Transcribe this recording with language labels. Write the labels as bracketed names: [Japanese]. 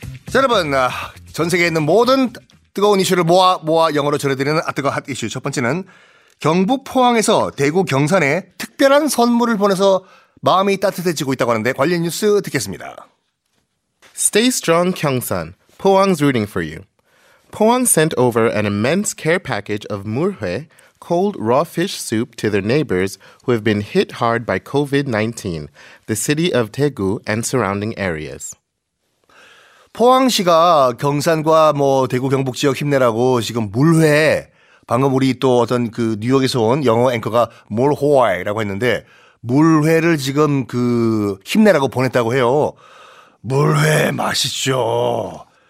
[Korean] 자, 여러분. 전 세계에 있는 모든 뜨거운 이슈를 모아 영어로 전해드리는 아뜨거 핫 이슈. 첫 번째는 경북 포항에서 대구 경산에 특별한 선물을 보내서 마음이 따뜻해지고 있다고 하는데 관련 뉴스 듣겠습니다. [English] Stay strong, Gyeongsan. Pohang's rooting for you. Pohang sent over an immense care package of murhwe, cold raw fish soup, to their neighbors who have been hit hard by COVID-19, the city of Daegu and surrounding areas. [Korean] 포항시가 경산과 뭐 대구 경북 지역 힘내라고 지금 물회, 방금 우리 또 어떤 그 뉴욕에서 온 영어 앵커가 몰호아이라고 했는데 물회를 지금 그 힘내라고 보냈다고 해요. 물회 맛있죠.